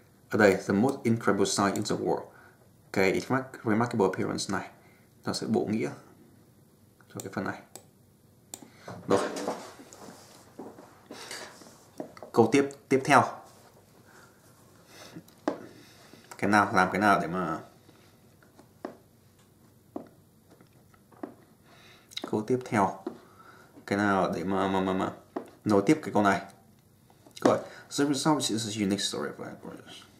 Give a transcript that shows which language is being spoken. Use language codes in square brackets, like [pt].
[vi] Ở đây, [en] the most incredible sight in the world. [vi] Cái remarkable appearance này, nó sẽ bổ nghĩa cho cái phần này. Rồi. Câu tiếp theo. Cái nào, làm cái nào để mà... Câu tiếp theo. Cái nào để mà nối tiếp cái câu này. Rồi. [en] The result is a unique story of progress.